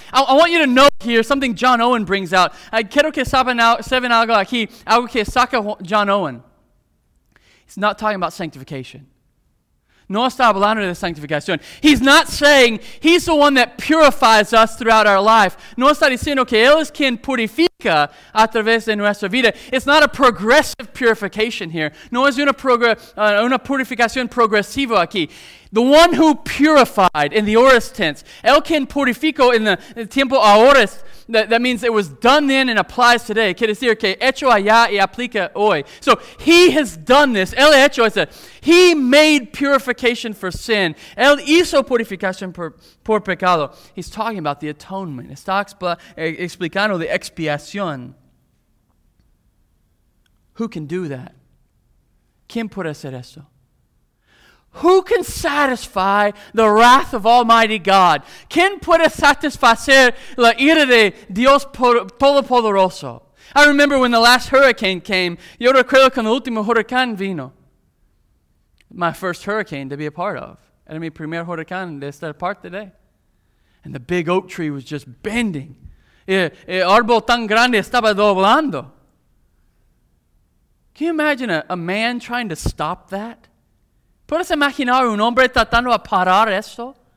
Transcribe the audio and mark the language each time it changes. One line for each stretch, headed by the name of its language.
English: I want you to note here something John Owen brings out.
Spanish: Quiero que sepan algo aquí. Algo que saca John Owen.
English: He's not talking about sanctification.
Spanish: No está hablando de sanctificación.
English: He's not saying he's the one that purifies us throughout our life.
Spanish: No está diciendo que él es quien purifica a través de nuestra vida.
English: It's not a progressive purification here.
Spanish: No es una purificación progresiva aquí.
English: The one who purified in the aorist tense.
Spanish: El quien purificó
English: in the tiempo aorist. That means it was done then and applies today.
Spanish: Quiere decir que hecho allá y aplica hoy.
English: So he has done this.
Spanish: El hecho es
English: that he made purification for sin.
Spanish: El hizo purificación por pecado.
English: He's talking about the atonement.
Spanish: Está explicando la expiación.
English: Who can do that?
Spanish: ¿Quién puede hacer eso?
English: Who can satisfy the wrath of Almighty God?
Spanish: ¿Quién puede satisfacer la ira de Dios Todopoderoso?
English: I remember when the last hurricane came.
Spanish: Yo recuerdo cuando el último huracán vino.
English: My first hurricane to be a part of.
Spanish: Era mi primer huracán de estar parte de.
English: And the big oak tree was just bending.
Spanish: El árbol tan grande estaba doblando.
English: Can you imagine a man trying to stop that?
Spanish: ¿Puedes imaginar un hombre tratando a parar esto?